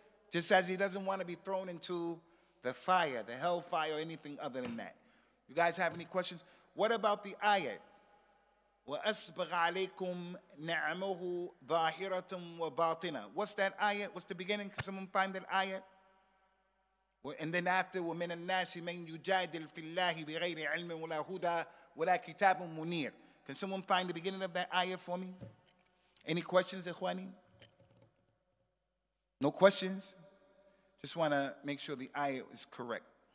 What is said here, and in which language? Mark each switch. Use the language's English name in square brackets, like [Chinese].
[English] Just as he doesn't want to be thrown into the fire, the hellfire, or anything other than that. You guys have any questions? What about the ayat? [Arabic] وَأَسْبَغَ عَلَيْكُمْ نَعْمُهُ ظَاهِرَةٌ وَبَاطِنَةٌ. [English] What's that ayat? What's the beginning? Can someone find that ayat? And then after, [Arabic] وَمِنَ النَّاسِ مَنْ يُجَادِلْ فِي اللَّهِ بِغَيْرِ عِلْمٍ وَلَا هُدَى وَلَا كِتَابٌ مُنِيرٌ. [English] Can someone find the beginning of that ayah for me? Any questions, Ikhwani? No questions? Just want to make sure the ayah is correct.